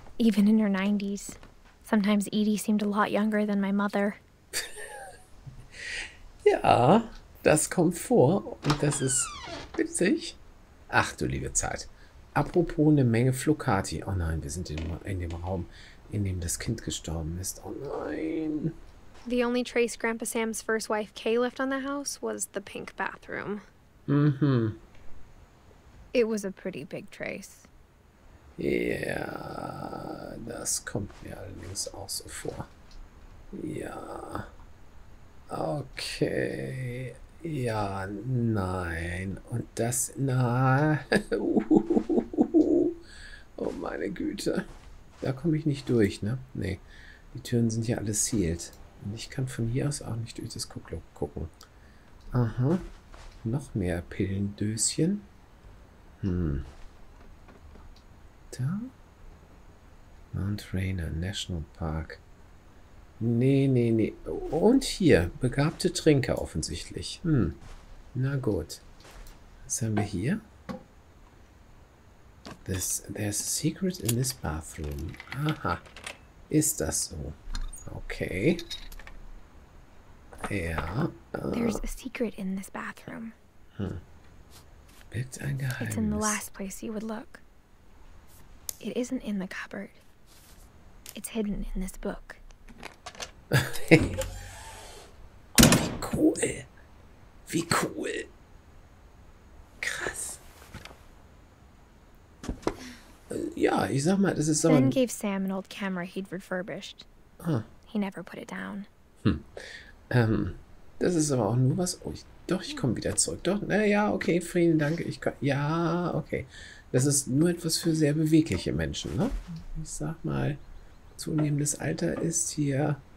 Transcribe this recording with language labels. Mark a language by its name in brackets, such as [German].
[English] Even in her 90s, sometimes Edie seemed a lot younger than my mother. [German] Ja, das kommt vor und das ist witzig. Ach du liebe Zeit. Apropos eine Menge Flocati. Oh nein, wir sind in dem Raum, in dem das Kind gestorben ist. Oh nein. [English] The only trace Grandpa Sam's first wife Kay left on the house was the pink bathroom. Mhm. It was a pretty big trace. [German] Ja, das kommt mir allerdings auch so vor. Ja. Okay. Ja, nein. Und das, na. Oh meine Güte. Da komme ich nicht durch, ne? Nee. Die Türen sind ja alle sealed. Und ich kann von hier aus auch nicht durch das Kuckloch gucken. Aha. Noch mehr Pillendöschen. Da? Mount Rainier National Park. Nee. Und hier. Begabte Trinker offensichtlich. Na gut. Was haben wir hier? [English] There's a secret in this bathroom. [German] Aha. Ist das so? Okay. Ja. [English] There's a secret in this bathroom. [German] Bitte ein Geheimnis. [English] It's in the last place you would look. It isn't in the cupboard. It's hidden in this book. [German] Oh, wie cool. Wie cool. Krass. Ja, ich sag mal, das ist so [English] ein... Ben gave Sam an old camera he'd refurbished. He never put it down. [German] Das ist aber auch nur was. Oh, ich komme wieder zurück. Doch, naja, okay, Frieden, danke. Ja, okay. Das ist nur etwas für sehr bewegliche Menschen, ne? Ich sag mal, zunehmendes Alter ist hier.